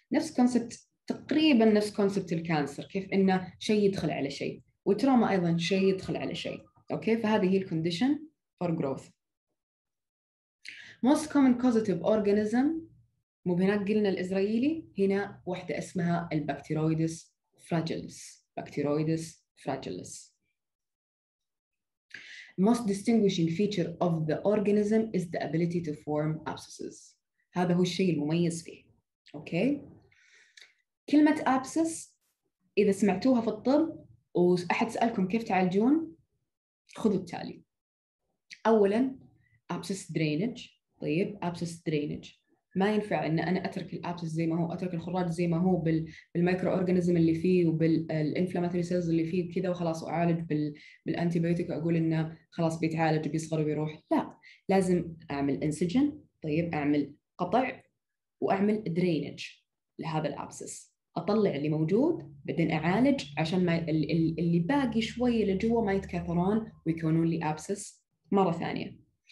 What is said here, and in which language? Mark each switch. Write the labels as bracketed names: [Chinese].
[Arabic] نفس كونسبت، تقريبا نفس كونسبت الكانسر، كيف انه شيء يدخل على شيء، وتروما ايضا شيء يدخل على شيء، اوكي فهذه هي الكونديشن فور جروث. [English] Most common causative organism، [Arabic] مو بهناك قلنا الإسرائيلي، هنا واحدة اسمها البكتيرويدس فراجيلس. بكتيرويدس فراجيلس. [English] Most distinguishing feature of the organism is the ability to form abscesses. [Arabic] هذا هو الشيء المميز فيه. أوكي؟ كلمة abscess إذا سمعتوها في الطب وأحد سألكم كيف تعالجون، خذوا التالي. أولاً [English] abscess drainage. [Arabic] طيب abscess drainage ما ينفع ان انا اترك الابسس زي ما هو، اترك الخراج زي ما هو بالمايكرو اورجانيزم اللي فيه وبالانفلاماتوري سيلز اللي فيه كذا وخلاص، واعالج بالانتيبيوتيك واقول انه خلاص بيتعالج وبيصغر وبيروح، لا لازم اعمل انسجن، طيب اعمل قطع واعمل drainage لهذا الابسس، اطلع اللي موجود بعدين اعالج عشان ما اللي باقي شوي لجوه ما يتكاثرون ويكونون لي ابسس مره ثانيه.